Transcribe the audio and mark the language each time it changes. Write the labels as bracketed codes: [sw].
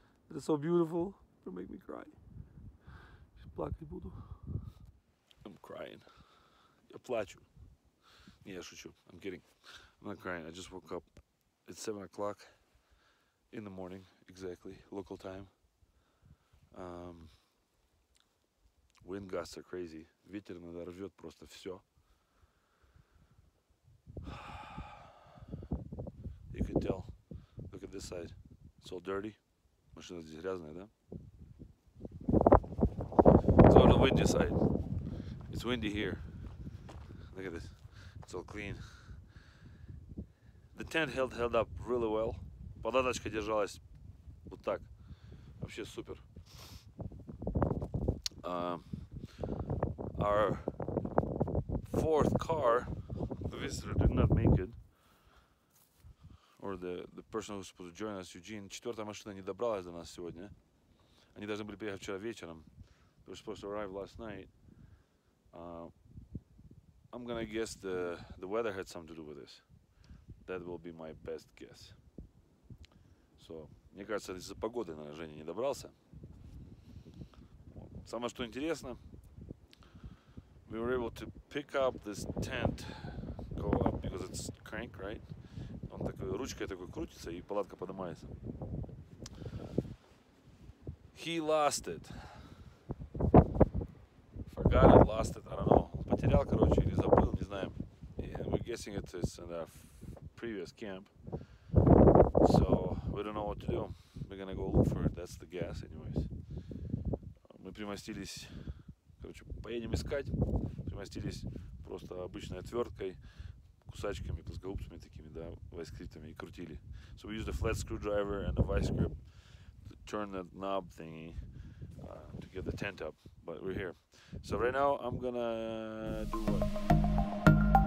[en] It is so beautiful, it'll make me cry. I'm crying. [ru] Я плачу. Не, я шучу, [en] I'm kidding. I'm not crying, I just woke up. It's 7 o'clock in the morning, exactly, local time. Wind gusts are crazy. [ru] Ветер иногда рвет просто все. [en] Tell. Look at this side. It's all dirty. [ru] Машина здесь грязная, да? [en] It's on the windy side. It's windy here. Look at this. It's all clean. The tent held up really well. [ru] Податочка держалась вот так. Вообще супер. [en] Our fourth car, the visitor did not make it. Or the person who was supposed to join us, Eugene. [ru] Четвертая машина не добралась до нас сегодня. Они должны были приехать вчера вечером. [en] They were supposed to arrive last night. I'm gonna guess the weather had something to do with this. That will be my best guess. [ru] So, мне кажется, из-за погоды, наверное, Женя не добрался. Самое что интересно, [en] we were able to pick up this tent, go up, because it's crank, right? [ru] Он такой, ручкой такой крутится, и палатка поднимается. [en] He lost it. Forgot it, lost it, I don't know. [ru] Он потерял, короче, или забыл, не знаем. [en] And we're guessing it's in our previous camp. So, we don't know what to do. We're gonna go look for it, that's the guess, anyways. [ru] Мы примостились, короче, поедем искать. Примостились просто обычной отверткой. Кусачками, плоскогубцами такими, да, vice grips-ами и крутили. [en] So we used a flat screwdriver and a vice grip to turn that knob thingy to get the tent up, but we're here. So right now I'm gonna do what?